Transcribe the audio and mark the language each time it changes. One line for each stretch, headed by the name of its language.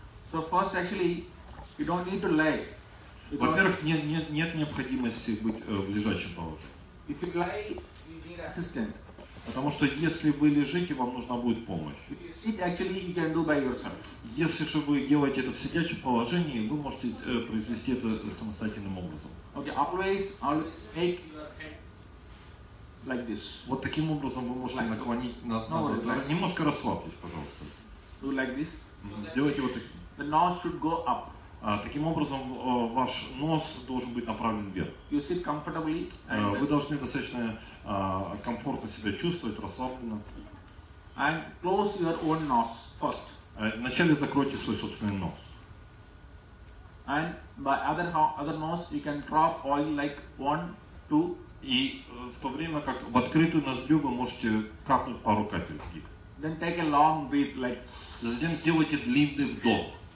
English: So first, actually, you don't need to lie.
Russian: Во-первых, нет необходимости быть в лежачем положении.
English: If you lie, you need assistant.
Russian: Потому что если вы лежите, вам нужна будет помощь.
English: It actually you can do by yourself.
Russian: Если же вы делаете это в сидячем положении, вы можете произвести это самостоятельным образом.
English: Okay, always make like this.
Russian: Вот таким образом вы можете наклонить назад. Немножко расслабьтесь, пожалуйста.
English: Do like this.
Russian: Сделайте вот таким.
English: The nose should go up.
Russian: Таким образом, ваш нос должен быть направлен вверх.
English: You sit comfortably.
Russian: Вы должны достаточно комфортно себя чувствовать, расслабленно.
English: And close your own nose first.
Russian: Вначале закройте свой собственный нос.
English: And by other nose you can drop oil like 1-2.
Russian: И в то время как в открытую ноздрю вы можете капнуть пару капель.
English: Then take a long breath like.
Russian: Затем сделайте длинный вдох.